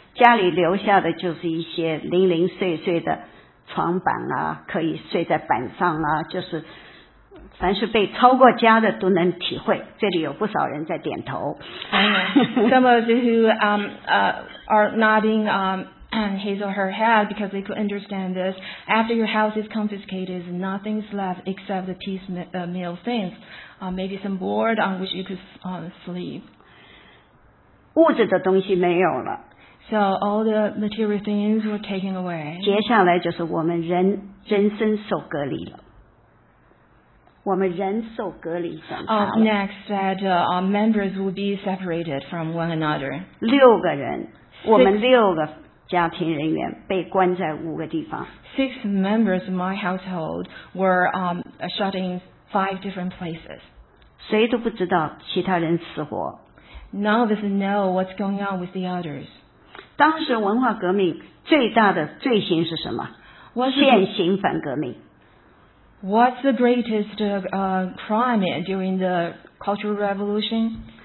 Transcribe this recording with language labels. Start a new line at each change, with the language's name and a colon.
Chinese: 家里留下的就是一些零零碎碎的床板啊，可以睡在板上啊，就是凡是被超过家的都能体会。这里有不少人在点头。
English: Some of those who are nodding his or her head because they could understand this. After your house is confiscated, nothing is left except the piecemeal things. Maybe some board on which you could sleep.
Chinese: 物质的东西没有了。
English: So all the material things were taken away.
Chinese: 接下来就是我们人人生受隔离了。我们人受隔离审查了。
English: Next, that our members will be separated from one another.
Chinese: 六个人，我们六个家庭人员被关在五个地方。
English: Six members of my household were shut in five different places.
Chinese: 谁都不知道其他人死活。
English: None of us know what's going on with the others.
Chinese: 当时文化革命最大的罪行是什么？现行反革命。
English: What's the greatest crime during the Cultural Revolution?